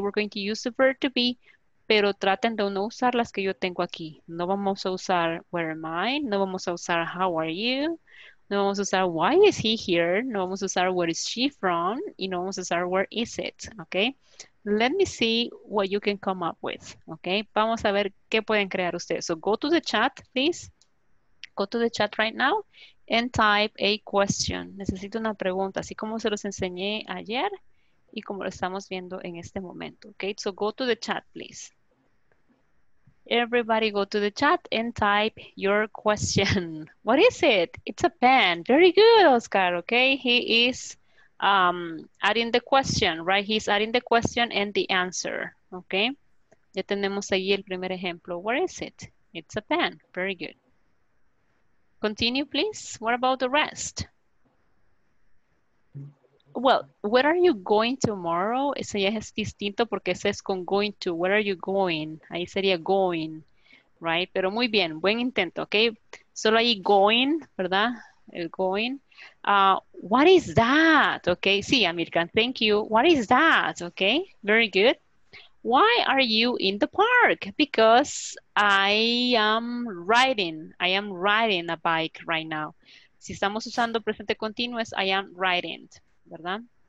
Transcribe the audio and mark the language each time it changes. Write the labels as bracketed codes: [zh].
[en] We're going to use the verb to be, [es] pero traten de no usar las que yo tengo aquí. No vamos a usar [en] where am I, [es] no vamos a usar [en] how are you, [es] no vamos a usar [en] why is he here, [es] no vamos a usar [en] where is she from, [es] y no vamos a usar [en] where is it, [es] okay? [en] let me see what you can come up with. [es] Okay, vamos a ver qué pueden crear ustedes. [en] So go to the chat, please. Go to the chat right now and type a question. [es] Necesito una pregunta, así como se los enseñé ayer y como lo estamos viendo en este momento. [en] Okay, so go to the chat, please. Everybody go to the chat and type your question. What is it? It's a pen. Very good, Oscar. Okay, he is adding the question, right? He's adding the question and the answer. Okay, [es] ya tenemos ahí el primer ejemplo. [en] What is it? It's a pen. Very good. Continue, please. What about the rest? Well, where are you going tomorrow? [es] Ese ya es distinto porque ese es con going to. [en] Where are you going? [es] Ahí sería [en] going, right? [es] Pero muy bien, buen intento, okay? Solo ahí going, ¿verdad? El going. [en] What is that? Okay, sí, American, thank you. What is that? Okay, very good. Why are you in the park? Because I am riding a bike right now. [es] Si estamos usando presente continuo, es [en] I am riding, [es] ¿verdad?